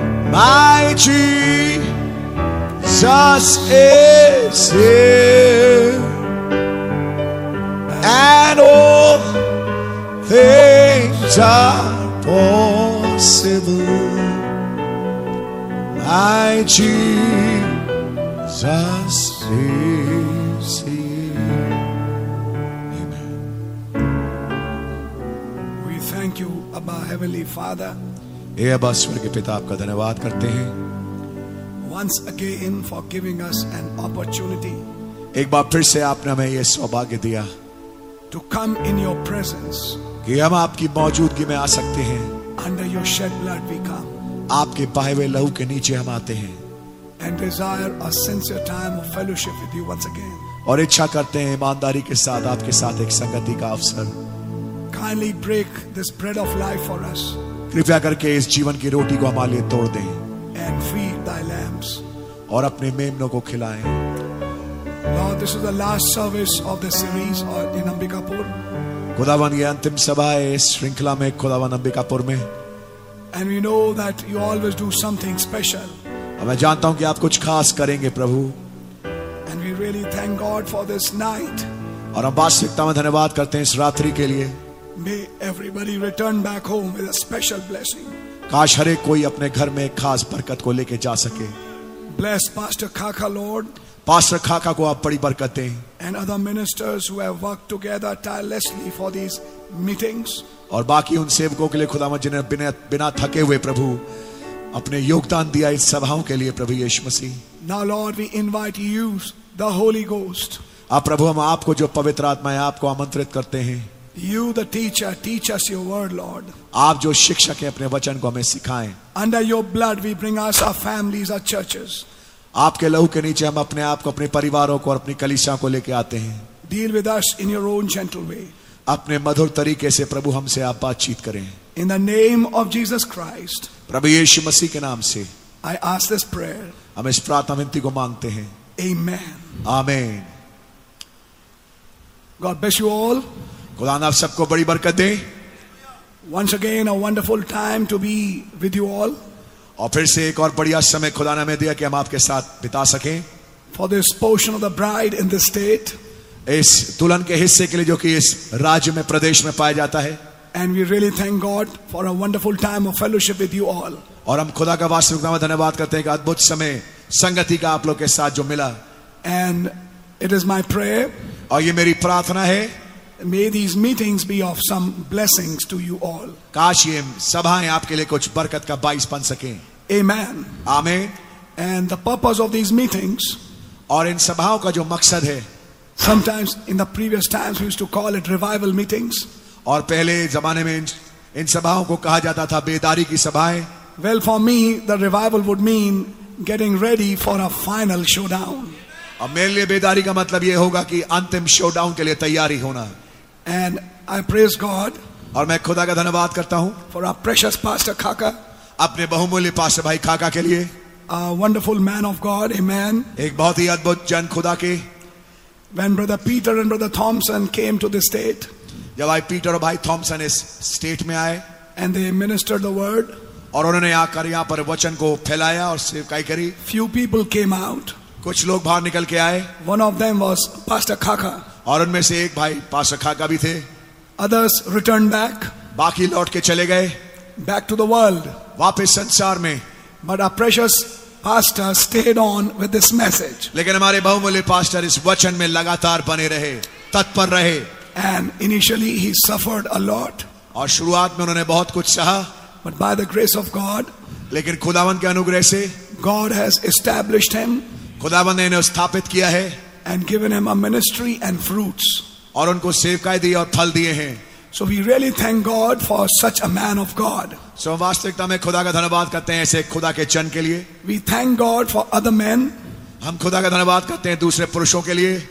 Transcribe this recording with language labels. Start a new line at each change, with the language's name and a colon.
English: My Jesus is here, and all things are possible. My Jesus is here. Amen. We thank you, Abba, Heavenly Father.
Hindi: ए अबा स्वर्ग के पिता, आपका धन्यवाद करते हैं.
English: Once again for giving us an opportunity.
Hindi: एक बार फिर से आपने हमें यह सौभाग्य दिया.
English: To come in your presence.
Hindi: कि हम आपकी मौजूदगी में आ सकते हैं.
English: Under your shed blood we come.
Hindi: आपके बहे हुए लहू के नीचे हम आते हैं.
English: And desire a sincere time of fellowship with you once again.
Hindi: और इच्छा करते हैं ईमानदारी के साथ आपके साथ एक संगति का अवसर.
English: Kindly break this bread of life for us.
Hindi: कृपया करके इस जीवन की रोटी को हमारे लिए तोड़ दें.
English: And feed thy lambs.
Hindi: और अपने मेमनों को खिलाएं.
English: Lord, this is the last service of the series in Ambikapur.
Hindi: खुदावन ये अंतिम सभा है इस श्रृंखला में खुदावन अंबिकापुर में.
English: And we know that you always do something special.
Hindi: मैं जानता हूँ कि आप कुछ खास करेंगे प्रभु.
English: And we really thank God for this night.
Hindi: और हम वास्तविकता में धन्यवाद करते हैं इस रात्रि के लिए.
English: May everybody return back home with a special blessing.
Hindi: काश हर एक कोई अपने घर में एक खास बरकत को लेके जा सके.
English: Bless Pastor Khaka, Lord.
Hindi: Pastor खाका को आप बड़ी बरकत दें.
English: And other ministers who have worked together tirelessly for these meetings.
Hindi: और बाकी उन सेवकों के लिए खुदावंद जिन्हें बिना थके हुए प्रभु अपने योगदान दिया इस सभाओं के लिए प्रभु यीशु मसीह.
English: Now Lord, we invite you, the Holy Ghost.
Hindi: आप प्रभु हम आपको जो पवित्र आत्मा है आपको आमंत्रित करते हैं.
English: You the teacher, teach us your word, Lord.
Hindi: आप जो शिक्षक हैं अपने वचन को हमें सिखाएं.
English: Under your blood we bring us our families, our churches.
Hindi: आपके लहू के नीचे हम अपने आप को अपने परिवारों को और अपनी कलीसियाओं को लेके आते हैं.
English: Deal with us in your own gentle way.
Hindi: अपने मधुर तरीके से प्रभु हमसे आप बातचीत करें.
English: In the name of Jesus Christ.
Hindi: प्रभु यीशु मसीह के नाम से.
English: I ask this prayer.
Hindi: हम इस प्रार्थना विनती को मांगते हैं.
English: Amen.
Hindi: Amen.
English: God bless you all.
Hindi: खुदा आप सबको बड़ी बरकत दे.
English: Once again a wonderful time to be with you all.
Hindi: और फिर से एक और बढ़िया समय खुदा ने हमें दिया कि हम आपके साथ बिता सकें.
English: For this portion of the bride in the state.
Hindi: इस दुल्हन के हिस्से के लिए जो कि इस राज्य में प्रदेश में पाया जाता है.
English: And we really thank God for a wonderful time of fellowship with you all.
Hindi: और हम खुदा का वास्तविक नाम धन्यवाद करते हैं कि अद्भुत समय संगति का आप लोग के साथ जो मिला.
English: And it is my prayer.
Hindi: और ये मेरी प्रार्थना है.
English: May these meetings be of some blessings to you all.
Hindi: काश ये सभाएं आपके लिए कुछ बरकत का बाइस बन सकें.
English: Amen.
Hindi: Amen.
English: And the purpose of these meetings.
Hindi: और इन सभाओं का जो मकसद है.
English: Sometimes in the previous times we used to call it revival meetings.
Hindi: और पहले जमाने में इन सभाओं को कहा जाता था बेदारी की सभाएं.
English: Well, for me, the revival would mean getting ready for a final showdown.
Hindi: अब मेरे लिए बेदारी का मतलब ये होगा कि अंतिम शोडाउन के लिए तैयारी होना.
English: And I praise God.
Hindi: और मैं खुदा का धन्यवाद करता हूँ.
English: For our precious Pastor Khaka.
Hindi: अपने बहुमूल्य पास्टर भाई खाका के लिए.
English: A wonderful man of God, a man.
Hindi: एक बहुत ही अद्भुत जन खुदा के.
English: When Brother Peter and Brother Thompson came to the state.
Hindi: जब भाई पीटर और भाई थॉमसन इस स्टेट में आए.
English: And they ministered the word.
Hindi: और उन्होंने आकर यहाँ पर वचन को फैलाया और सेवकाई करी.
English: Few people came out.
Hindi: कुछ लोग बाहर निकल के आए.
English: One of them was Pastor Khaka.
Hindi: और उनमें से एक भाई पास्टर खाका भी थे.
English: Others returned back.
Hindi: बाकी लौट के चले गए.
English: Back to the world.
Hindi: वापस संसार में.
English: But our precious pastor stayed on with this message.
Hindi: लेकिन हमारे बहुमूल्य पास्टर इस वचन में लगातार बने रहे, तत्पर रहे.
English: And initially he suffered a lot.
Hindi: और शुरुआत में उन्होंने बहुत कुछ सहा.
English: But by the grace of God,
Hindi: लेकिन खुदावंद के अनुग्रह से,
English: God has established him.
Hindi: खुदावंद ने इन्हें स्थापित किया है.
English: And given him a ministry and fruits.
Hindi: और उनको सेवकाई दी और फल दिए हैं.
English: So we really thank God for such a man of God.
Hindi: So वास्तविकता में खुदा का धन्यवाद करते हैं ऐसे खुदा के जन के लिए.
English: We thank God for other men.
Hindi: हम खुदा का धन्यवाद करते हैं दूसरे पुरुषों के लिए.